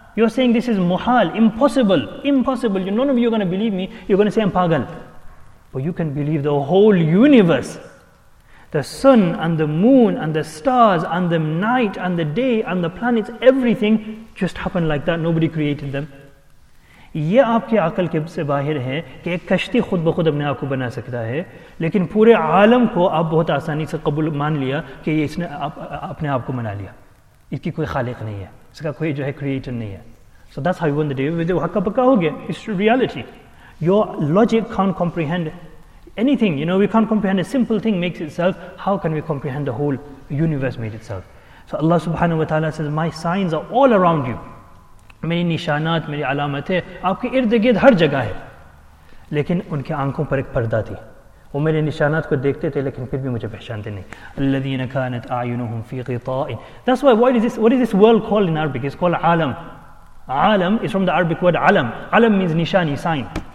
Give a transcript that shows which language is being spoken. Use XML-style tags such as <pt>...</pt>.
<en>You're saying this is muhal, impossible, impossible. None of you are going to believe me. You're going to say I'm pagal. But you can believe the whole universe. The sun and the moon and the stars and the night and the day and the planets, everything just happened like that. Nobody created them.</en> <ur>یہ آپ کے عقل کے سے باہر ہے کہ ایک کشتی خود بخود اپنے آپ کو بنا سکتا ہے لیکن پورے عالم کو آپ بہت آسانی سے قبول مان لیا کہ یہ اس نے اپنے آپ کو بنا لیا اس کی کوئی خالق نہیں ہے اس کا کوئی جو ہے کریئٹر نہیں ہے</ur> <en>So that's how you won the day.</en> <ur>وہ حق پکا ہو گیا</ur> <en>It's reality. Your logic can't comprehend anything. You know, we can't comprehend a simple thing makes itself. How can we comprehend the whole universe made itself? So Allah subhanahu wa ta'ala says, My signs are all around you.</en> <ur>میری نشانات میری علامتیں آپ کے ارد گرد ہر جگہ ہے لیکن ان کی آنکھوں پر ایک پردہ تھی وہ میرے نشانات کو دیکھتے تھے لیکن پھر بھی مجھے پہچانتے نہیں</ur> <ar>الذين كانت اعينهم في غطاء</ar> <en>That's why what is this world called in Arabic it's called</en> <ur>Alam Alam is from the Arabic word Alam Alam means نشانی sign</ur>